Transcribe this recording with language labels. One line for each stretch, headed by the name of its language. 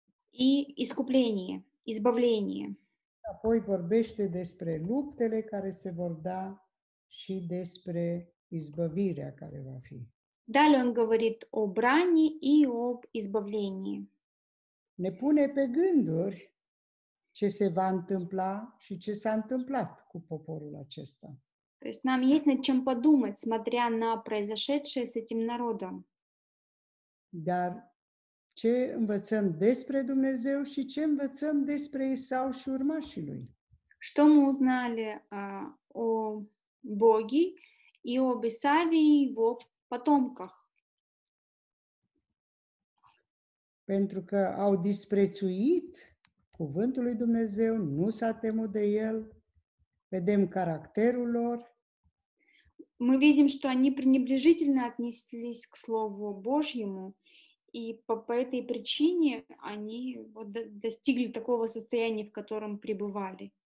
Russian: И искупление, избавление.
Romanian: Apoi vorbește despre luptele care se vor da și despre izbăvirea care va fi.
Russian: Далее он говорит о брани и об избавлении.
Romanian: Ne pune pe gânduri ce se va întâmpla și ce s-a întâmplat cu poporul acesta.
Russian: То есть нам есть над чем подумать, смотря на произошедшее с этим народом.
Romanian: Dar ce învățăm despre Dumnezeu și ce învățăm despre Esau și urmașii lui?
Russian: Что мы узнали о Боге и об Исаве и его потомках?
Romanian: Pentru că au disprețuit cuvântul lui Dumnezeu, nu s-a temut de el, vedem caracterul lor.
Russian: Мы видим, что они пренебрежительно отнеслись к слову Божьему. И по этой причине они вот достигли такого состояния, в котором пребывали.